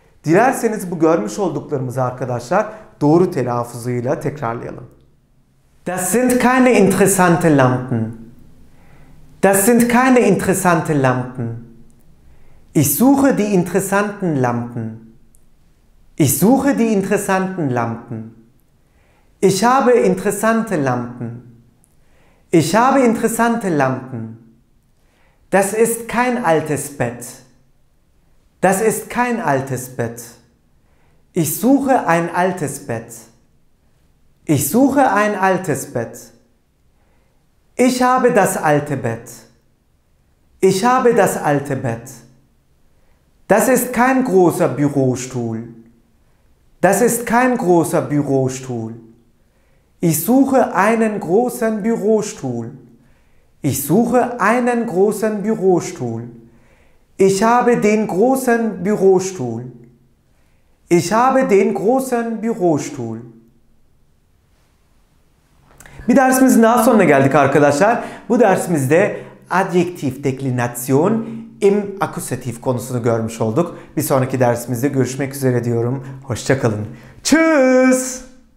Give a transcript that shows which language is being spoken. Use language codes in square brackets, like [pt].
[tr] Dilerseniz bu görmüş olduklarımızı arkadaşlar doğru telaffuzuyla tekrarlayalım. [de] Das sind keine interessante Lampen. Das sind keine interessante Lampen. Ich suche die interessanten Lampen. Ich suche die interessanten Lampen. Ich habe interessante Lampen. Ich habe interessante Lampen. Das ist kein altes Bett. Das ist kein altes Bett. Ich suche ein altes Bett. Ich suche ein altes Bett. Ich habe das alte Bett. Ich habe das alte Bett. Das ist kein großer Bürostuhl. Das ist kein großer Bürostuhl. Ich suche einen großen Bürostuhl. Ich suche einen großen Bürostuhl. Ich habe den großen Bürostuhl. Ich habe den großen Bürostuhl. [tr] Bir dersimizin daha sonuna geldik arkadaşlar. Bu dersimizde adjektif deklinasyon im akusatif konusunu görmüş olduk. Bir sonraki dersimizde görüşmek üzere diyorum. Hoşça kalın. Tschüss.